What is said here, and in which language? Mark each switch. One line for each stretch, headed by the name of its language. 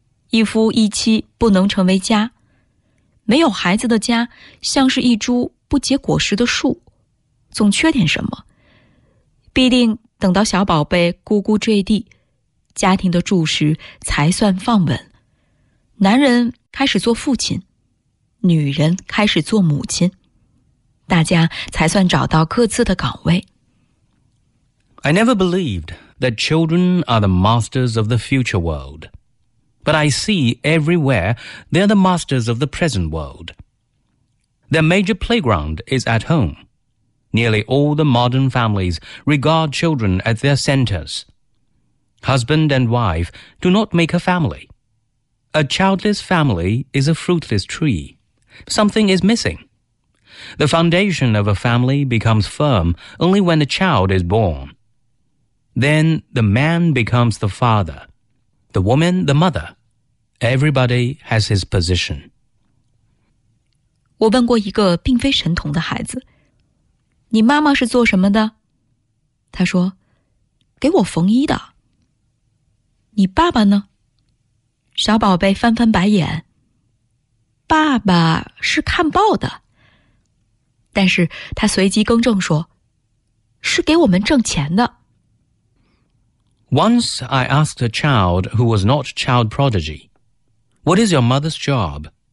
Chinese: 一夫一妻不能成为家，没有孩子的家像是一株不结果实的树，总缺点什么，必定等到小宝贝咕咕坠地，家庭的柱石才算放稳。男人开始做父亲，女人开始做母亲，大家才算找到各自的岗位。
English: I never believed that children are the masters of the future world. But I see everywhere they're the masters of the present world. Their major playground is at home. Nearly all the modern families regard children as their centers. Husband and wife do not make a family. A childless family is a fruitless tree. Something is missing. The foundation of a family becomes firm only when a child is born. Then the man becomes the father, the woman the mother. Everybody has his position.
Chinese: 我问过一个并非神童的孩子，你妈妈是做什么的？他说，给我缝衣的。你爸爸呢？小宝贝翻翻白眼，爸爸是看报的。但是他随即更正说，是给我们挣钱的。
English: Once I asked a child who was not child prodigy, What is your mother's job?